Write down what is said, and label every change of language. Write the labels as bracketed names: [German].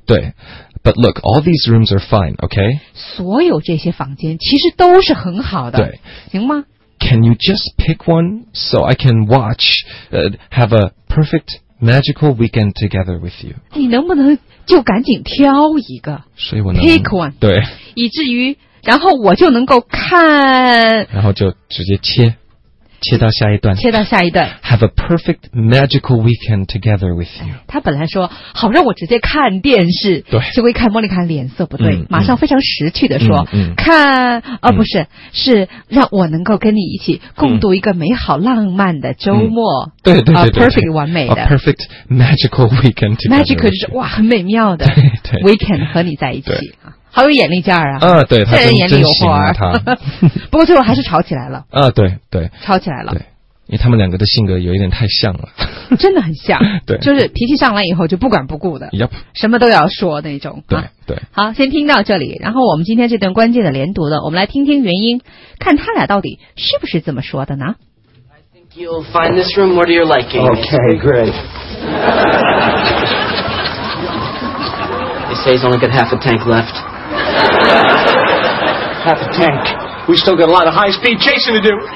[English] 对 ，But look， all these rooms are fine， OK， [Chinese] 所有这些房间其实都是很好的，对，行吗 [English] ？Can you just pick one so I can watch have a perfect magical weekend together with you？ [Chinese] 你能不能就赶紧挑一个？所以我能 [English] pick one， [Chinese] 对，以至于。然后我就能够看，然后就直接切到下一段，切到下一段。 [English] Have a perfect magical weekend together with you。 [Chinese] 他本来说好让我直接看电视，对，就会看莫妮卡脸色不对、嗯，马上非常识趣的说，嗯、看，哦、嗯，不是，是让我能够跟你一起共度一个美好浪漫的周末，嗯、对对 对, 对，perfect 完美的 [English] ，a perfect magical weekend together。 [Chinese] Magic 就是哇，很美妙的对对 weekend 和你在一起啊。好有眼力劲儿啊！啊，对，他人眼里有活儿，他。不过最后还是吵起来了。啊，对对，吵起来了。对，因为他们两个的性格有一点太像了。真的很像。对，就是脾气上来以后就不管不顾的。 [English] Yep。 [Chinese] 什么都要说那种。对、啊、对。好，先听到这里，然后我们今天这段关键的连读的，我们来听听原因，看他俩到底是不是这么说的呢 [English] ？I think you'll find this room more to your liking. Okay, great. say he's only got half a tank left. Half a tank. We still got a lot of high-speed chasing to do.